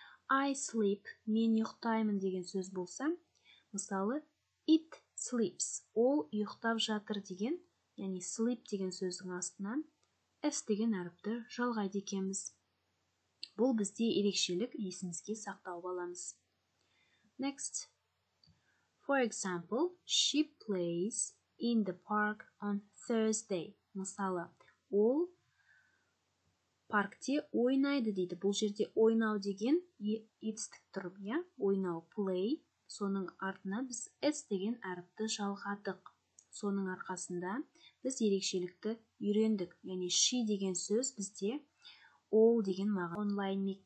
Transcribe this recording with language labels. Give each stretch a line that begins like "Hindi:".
English: I sleep,
Kazakh: мен ұйықтаймын деген сөз болса, мысалы,
English: it sleeps,
Kazakh: ол ұйықтап жатыр деген, яғни sleep деген сөздің астына, s деген әріпті жалғайды екеміз. Бұл бізде ерекшелік есімізге сақтау аламыз.
English: Next. For example, she plays in the park on Thursday.
Kazakh: Мысалы, ол паркте ойнайды дейді. Бұл жерде ойнау деген етістік тұрып, я? Ойнау play. Соның артына біз s деген әріпті жалғадық. Соның арқасында біз ерекшелікті үйрендік. Яғни she деген сөз бізде ол деген маған онлайн мектеп.